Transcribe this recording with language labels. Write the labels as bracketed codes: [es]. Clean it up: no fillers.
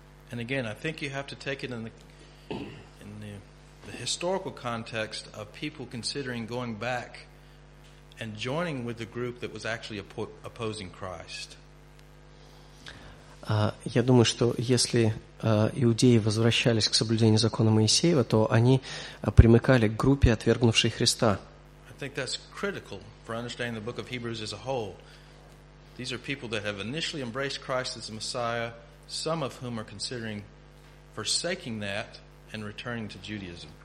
[en] And again, I think you have to take it in the historical context of people considering going back and joining with the group that was actually opposing Christ. [ru] Я думаю, что если иудеи возвращались к соблюдению закона Моисеева, то они примыкали к группе, отвергнувшей Христа. [en] I think that's critical for understanding the book of Hebrews as a whole. These are people that have initially embraced Christ as the Messiah, some of whom are considering forsaking that and returning to Judaism.